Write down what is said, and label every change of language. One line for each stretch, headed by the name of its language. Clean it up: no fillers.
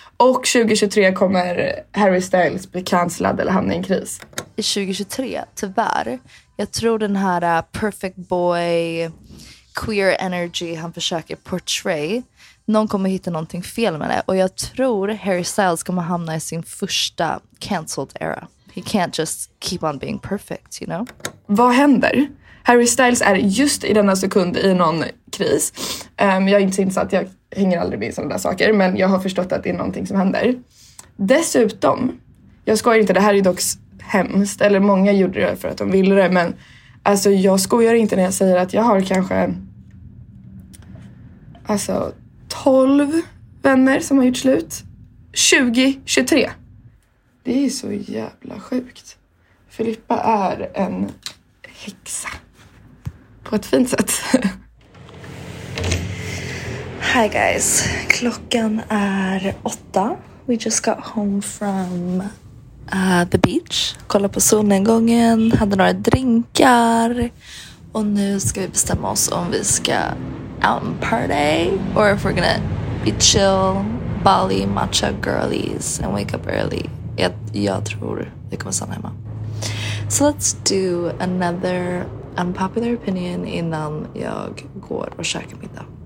Swedish: Och 2023 kommer Harry Styles bli cancelad eller hamna i en kris. I 2023, tyvärr. Jag tror den här
English: perfect boy, queer energy
Swedish: han försöker
English: portray.
Swedish: Någon kommer hitta någonting fel med det. Och jag tror Harry Styles kommer hamna i sin första cancelled era.
English: He can't just keep on being perfect, you know?
Swedish: Vad händer? Harry Styles är just i denna sekund i någon kris. Jag är inte så insatt, jag hänger aldrig med i sådana där saker. Men jag har förstått att det är någonting som händer. Dessutom, jag skojar inte, det här är dock hemskt, eller många gjorde det för att de ville det, men alltså jag skojar inte när jag säger att jag har kanske alltså 12 vänner som har gjort slut 2023. Det är så jävla sjukt. Filippa är en häxa på ett fint sätt.
English: Hi guys,
Swedish: klockan är 8.
English: We just got home from the beach.
Swedish: Kolla på solnedgången, hade några drinkar. Och nu ska vi bestämma oss om vi ska
English: out and party. Or if we're gonna be chill, Bali, matcha girlies and wake up early.
Swedish: Jag tror vi kommer stanna hemma.
English: So let's do another unpopular opinion
Swedish: innan jag går och käkar middag.